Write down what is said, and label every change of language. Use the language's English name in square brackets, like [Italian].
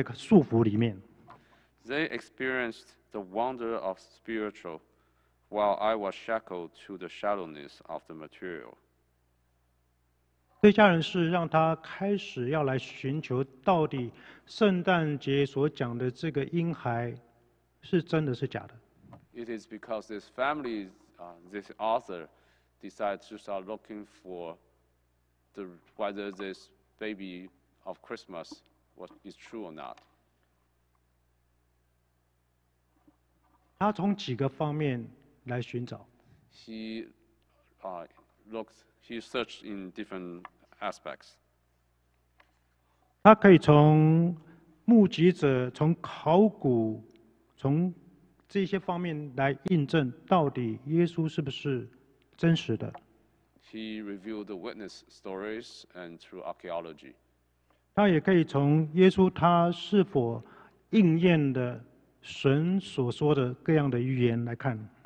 [Chinese] 他们所经历的是在属灵里面的奇妙，但是我呢，却是在物质的这个很浅薄的这样的一个束缚里面。 [English] They experienced the wonder of spiritual, while I was shackled to the shallowness of the material. [Chinese] 这家人是让他开始要来寻求，到底圣诞节所讲的这个婴孩是真的是假的。 [English] It is because this family, this author, decides to start looking for the whether this baby of Christmas was is true or not. [Chinese] 他从几个方面来寻找。 [English] He looks. He searched in different. Aspects. [Chinese] 他可以从目击者、从考古、从这些方面来印证，到底耶稣是不是真实的。 [English] He reviewed the witness stories and through archaeology. [Chinese] 他也可以从耶稣他是否应验的神所说的各样的预言来看。